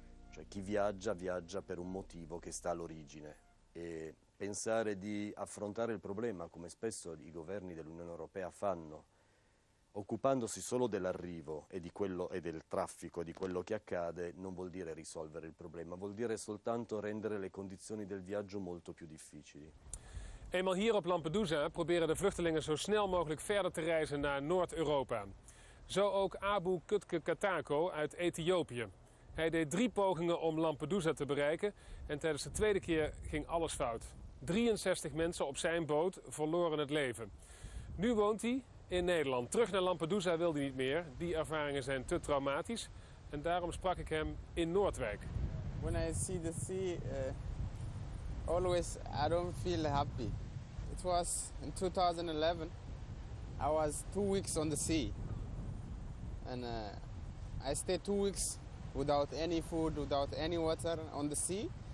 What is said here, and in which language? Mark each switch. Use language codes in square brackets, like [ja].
[it] Cioè chi viaggia, viaggia per un motivo che sta all'origine e pensare di affrontare il problema, come spesso i governi dell'Unione Europea fanno, occupandosi solo dell'arrivo e di quello e del traffico, di quello che accade, non vuol dire risolvere il problema, vuol dire soltanto rendere le condizioni del viaggio molto più difficili. [nl] Eenmaal hier op Lampedusa proberen de vluchtelingen zo snel mogelijk verder te reizen naar Noord-Europa. Zo ook Abu Kutke Katako uit Ethiopië. Hij deed 3 pogingen om Lampedusa te bereiken en tijdens de 2e keer ging alles fout. 63 mensen op zijn boot verloren het leven. Nu woont hij in Nederland. Terug naar Lampedusa wil hij niet meer. Die ervaringen zijn te traumatisch. En daarom sprak ik hem in Noordwijk. [en] When I see the sea, always I don't feel happy. It was in 2011. I was 2 weeks on the sea. And I stayed 2 weeks without any food, without any water on the sea.